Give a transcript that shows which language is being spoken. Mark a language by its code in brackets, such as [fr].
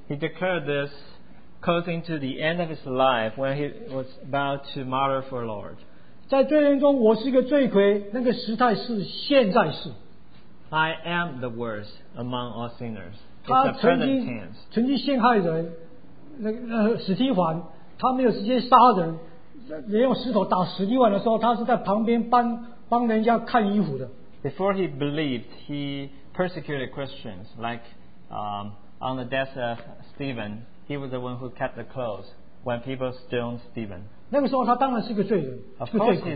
[en] He declared this close into the end of his life when he was about to martyr for the Lord. [zh] 在罪人中，我是一个罪魁，那个时态是现在式。 [en] I am the worst among all sinners. [zh] 他曾经陷害人，那个史蒂凡，他没有直接杀人，人用石头打史蒂凡的时候，他是在旁边帮人家看衣服的。 [en] Before he believed, he persecuted Christians, like on the death of Stephen, he was the one who kept the clothes when people stoned Stephen. [zh] 那个时候他当然是个罪人，是个罪魁。